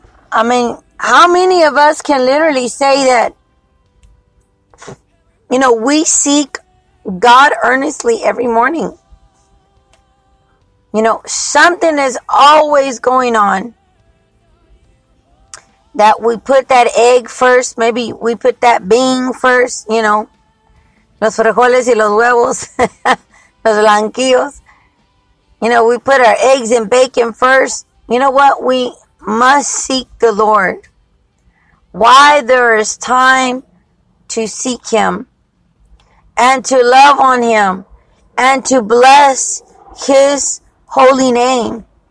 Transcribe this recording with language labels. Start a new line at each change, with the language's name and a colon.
English: I mean, how many of us can literally say that, you know, we seek God earnestly every morning? You know, something is always going on that we put that egg first. Maybe we put that bean first, you know.
Spanish: Los frijoles y los huevos, los blanquillos.
English: You know, we put our eggs and bacon first. You know what? We must seek the Lord. Why there is time to seek Him and to love on Him and to bless His holy name.